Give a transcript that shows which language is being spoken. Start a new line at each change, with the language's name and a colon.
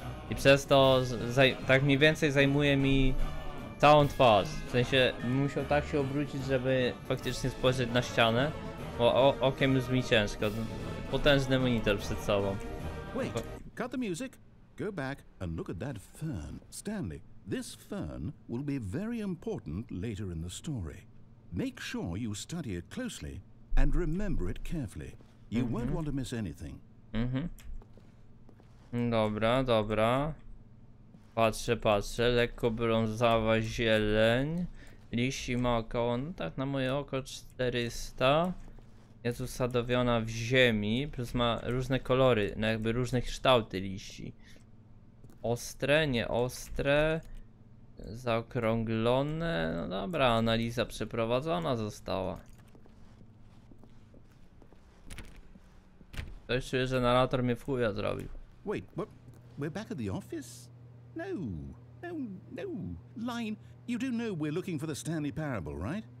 Polish: I przez to tak mniej więcej zajmuje mi całą twarz. W sensie musiał tak się obrócić, żeby faktycznie spojrzeć na ścianę. Bo okiem jest mi ciężko. Potężny monitor przed sobą.
English: Wait, cut the music. Go back and look at that fern. Stanley, this fern will be very important later in the story. Make sure you study it closely and remember it carefully. You won't want to miss anything.
Polish: Dobra, dobra. Patrzę, patrzę. Lekko brązowa zieleń. Liści ma około, no tak na moje oko, 400. Jest usadowiona w ziemi, plus ma różne kolory, no jakby różne kształty liści. Ostre, nie ostre. Zaokrąglone. No dobra, analiza przeprowadzona została. Ktoś czuje, że narrator mnie w chuja zrobił.
English: Wait, what? We're back at the office? No, no, no. Line, you do know we're looking for the Stanley Parable, right?